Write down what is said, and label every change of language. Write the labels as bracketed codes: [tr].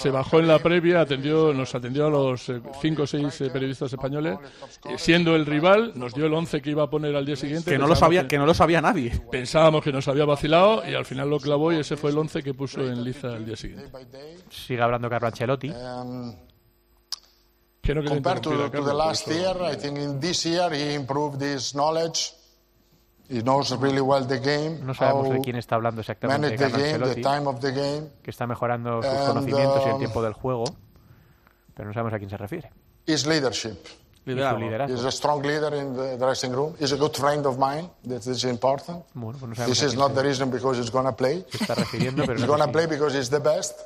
[es] Se bajó en la previa, nos atendió a los 5 o 6 periodistas españoles. Siendo el rival, nos dio el 11 que iba a poner al día siguiente. Que no lo sabía nadie. Pensábamos que nos había vacilado y al final lo clavó y ese fue el 11 que puso en liza al día siguiente. Sigue hablando Carlo Ancelotti. [en] Compared to the last year, I think in this year he improved his knowledge. He knows really well the game. [es] No sabemos de quién está hablando exactamente. [en] The game, the time of the game. [es] Que está mejorando sus conocimientos y el tiempo del juego, pero no sabemos a quién se refiere. [en] His leadership. [es] Liderazgo. [en] He's a strong leader in the dressing room. He's a good friend of mine. That is important. This is not the reason because he's going to play. [es] Está refiriendo, pero [en] he's going to play because he's the best.